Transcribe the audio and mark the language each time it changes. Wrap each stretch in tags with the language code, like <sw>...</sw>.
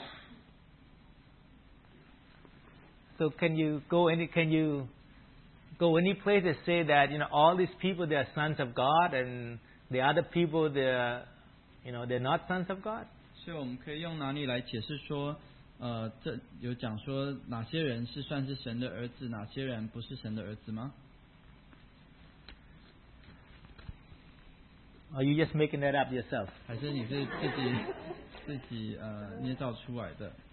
<zh>比如说像创世纪第五章第三节这里讲到亚当活到130岁，生了一个儿子，形象样式和自己相似，就其他名为赛特。这里没有讲说他是神的儿子。</zh> <en>So can you go any place that say that, you know, all these people, they are sons of God, and the other people, they're not sons of God?</en> <zh>所以我们可以用哪里来解释说，这有讲说哪些人是算是神的儿子，哪些人不是神的儿子吗？</zh> <en>Are you just making that up yourself?</en> <zh>还是你是自己捏造出来的？</zh>